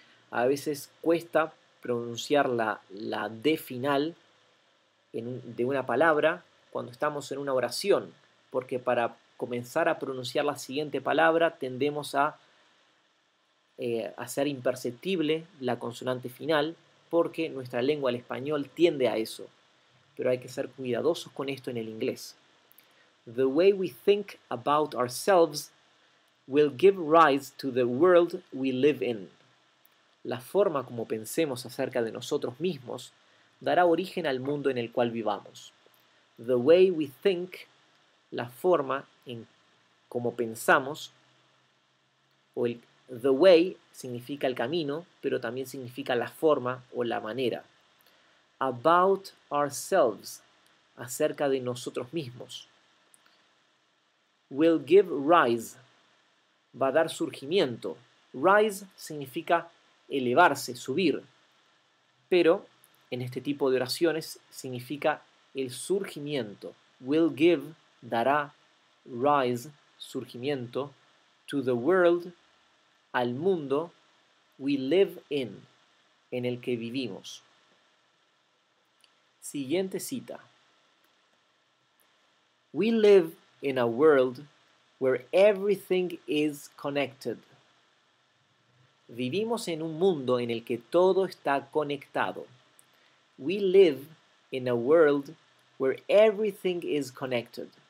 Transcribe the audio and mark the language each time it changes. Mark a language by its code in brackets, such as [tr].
[es] A veces cuesta pronunciar la D final de una palabra cuando estamos en una oración, porque para comenzar a pronunciar la siguiente palabra tendemos a hacer imperceptible la consonante final, porque nuestra lengua, el español, tiende a eso. Pero hay que ser cuidadosos con esto en el inglés. [en] The way we think about ourselves will give rise to the world we live in. [es] La forma como pensemos acerca de nosotros mismos dará origen al mundo en el cual vivamos. [en] The way we think, [es] la forma en como pensamos, o el the way significa el camino, pero también significa la forma o la manera. [en] About ourselves, [es] acerca de nosotros mismos. [en] Will give rise, [es] va a dar surgimiento. Rise significa elevarse, subir. Pero en este tipo de oraciones significa el surgimiento. [en] Will give, [es] dará rise, surgimiento, [en] to the world, [es] al mundo [en] we live in [es] el que vivimos. Siguiente cita. [en] We live in a world where everything is connected. [es] Vivimos en un mundo en el que todo está conectado. [en] We live in a world where everything is connected.